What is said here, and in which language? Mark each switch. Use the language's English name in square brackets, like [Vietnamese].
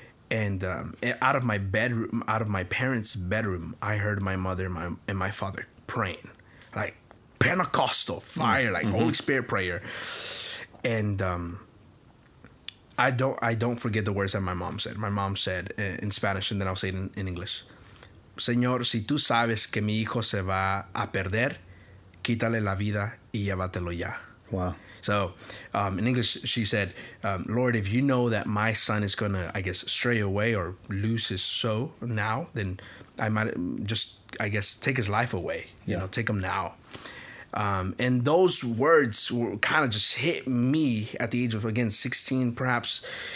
[English] And out of my bedroom, out of my parents' bedroom, I heard my mother and my father praying. Like Pentecostal fire, like Holy Spirit prayer. And I don't forget the words that my mom said. My mom said in Spanish, and then I'll say it in English. [Spanish] Señor, si tú sabes que mi hijo se va a perder, quítale la vida y llévatelo ya. [English] Wow. So, in English, she said, Lord, if you know that my son is going to, I guess, stray away or lose his soul now, then I might just, I guess, take his life away. Yeah. You know, take him now. And those words kind of just hit me at the age of, again, 16, perhaps.